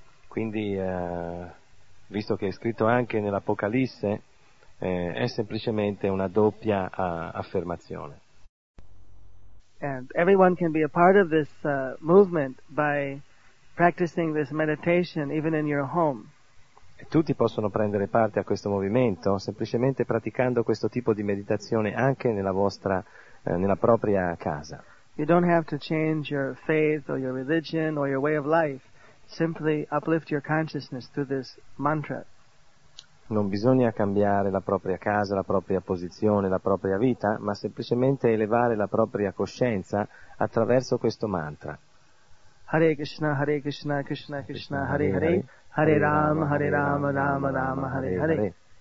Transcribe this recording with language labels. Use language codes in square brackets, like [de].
[it] Quindi visto che è scritto anche nell'Apocalisse è semplicemente una doppia affermazione. [en] And everyone can be a part of this movement by practicing this meditation even in your home. [it] E tutti possono prendere parte a questo movimento semplicemente praticando questo tipo di meditazione anche nella propria casa. [en] You don't have to change your faith or your religion or your way of life simply uplift your consciousness through this mantra. [it] Non bisogna cambiare la propria casa, la propria posizione, la propria vita, ma semplicemente elevare la propria coscienza attraverso questo mantra. [sa] Hare Krishna, Hare Krishna, Krishna Krishna, Hare Hare, Hare Rama, Hare Rama, Rama Rama, Hare Hare.